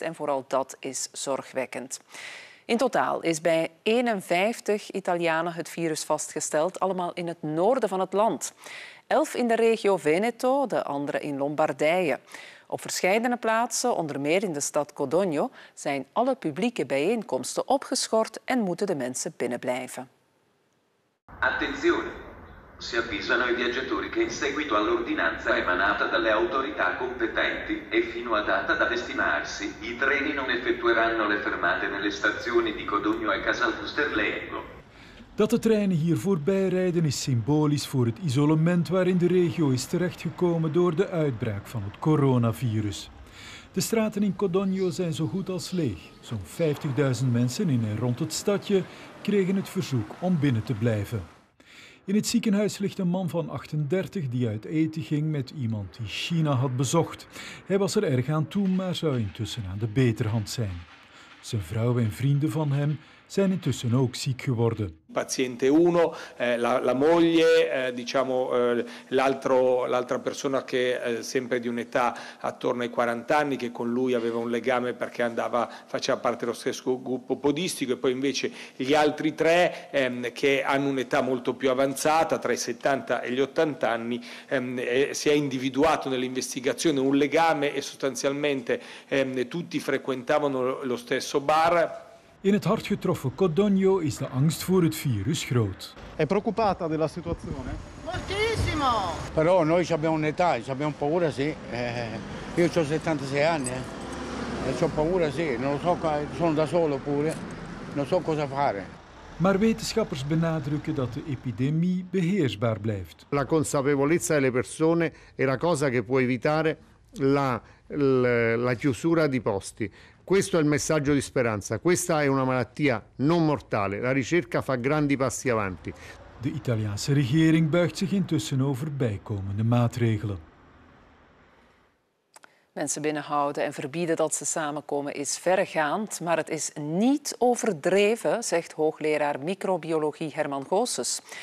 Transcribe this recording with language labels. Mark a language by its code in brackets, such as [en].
[nl] En vooral dat is zorgwekkend. In totaal is bij 51 Italianen het virus vastgesteld. Allemaal in het noorden van het land. 11 in de regio Veneto, de andere in Lombardije. Op verschillende plaatsen, onder meer in de stad Codogno, zijn alle publieke bijeenkomsten opgeschort en moeten de mensen binnenblijven. [it] Attenzione! Si avvisano i viaggiatori che in seguito all'ordinanza emanata dalle autorità competenti e fino a data da destinarsi, i treni non effettueranno le fermate nelle stazioni di Codogno e Casal Fusterlengo. [nl] Dat de treinen hier voorbij rijden is symbolisch voor het isolement waarin de regio is terechtgekomen door de uitbraak van het coronavirus. De straten in Codogno zijn zo goed als leeg. Zo'n 50.000 mensen in en rond het stadje kregen het verzoek om binnen te blijven. In het ziekenhuis ligt een man van 38 die uit eten ging met iemand die China had bezocht. Hij was er erg aan toe, maar zou intussen aan de beterhand zijn. Zijn vrouw en vrienden van hem zijn intussen ook ziek geworden. [it] Paziente 1, la moglie, diciamo l'altra persona che sempre di un'età attorno ai 40 anni che con lui aveva un legame perché andava faceva parte dello stesso gruppo podistico e poi invece gli altri 3 che hanno un'età molto più avanzata tra i 70 e gli 80 anni si è individuato nell'investigazione un legame e sostanzialmente tutti frequentavano lo stesso bar. [nl] In het hard getroffen Codogno is de angst voor het virus groot. [it] È preoccupata della situazione? Moltissimo! Però noi abbiamo un'età, abbiamo paura, sì. Io ho 76 anni, e ho paura, sì. Non lo so, sono da solo pure. Non so cosa fare. [nl] Maar wetenschappers benadrukken dat de epidemie beheersbaar blijft. [it] La consapevolezza delle persone è la cosa che può evitare la chiusura di posti. Questo è il messaggio di speranza. Questa è una malattia non mortale. La ricerca fa grandi passi avanti. [nl] De Italiaanse regering buigt zich intussen over bijkomende maatregelen. Mensen binnenhouden en verbieden dat ze samenkomen is verregaand, maar het is niet overdreven, zegt hoogleraar microbiologie Herman Goossens.